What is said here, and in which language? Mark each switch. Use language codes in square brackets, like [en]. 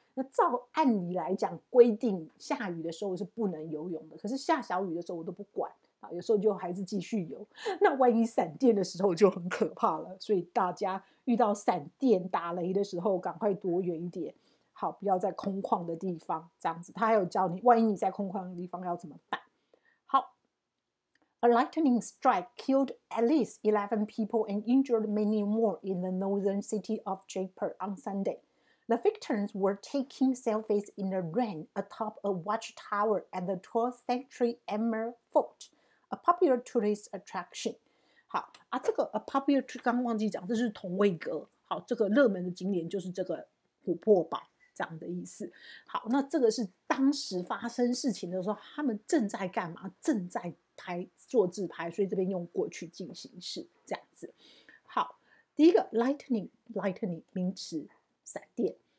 [zh] 那照按理来讲，规定下雨的时候是不能游泳的，可是下小雨的时候我都不管，有时候就还是继续游。那万一闪电的时候就很可怕了，所以大家遇到闪电打雷的时候赶快躲远一点，好，不要在空旷的地方这样子。他还有教你万一你在空旷的地方要怎么办。 [en] A lightning strike killed at least 11 people and injured many more in the northern city of Jaipur on Sunday. The victims were taking selfies in the rain atop a watchtower at the 12th century Emmer Fort, a popular tourist attraction. [zh] 好，啊，这个 a popular 刚忘记讲，这是同位格。好，这个热门的景点就是这个琥珀堡，这样的意思。好，那这个是当时发生事情的时候，他们正在干嘛？正在拍做自拍，所以这边用过去进行式这样子。好，第一个 lightning 名词，闪电。